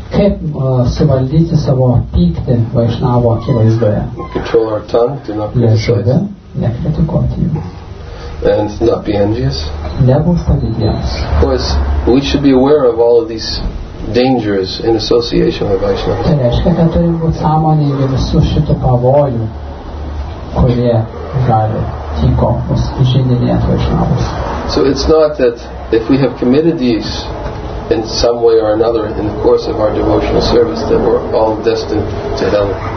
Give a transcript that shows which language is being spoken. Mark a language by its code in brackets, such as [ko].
[lt] Kaip suvaldyti savo pyktį Vaishnavo akivaizdoje. [en] Control our tongue to not be and not be envious. [lt] Nebūti pavydingiems. [en] Of course, we should be aware of all of these dangers in association with Vaishnavas. [lt] Tai reiškia, kad turim būti sąmoningi visų šitų pavojų, kurie gali tyko mus įžeidinėti Vaishnavas. [en] So it's not that if we have committed these in some way or another in the course of our devotional service that we're all destined to hell.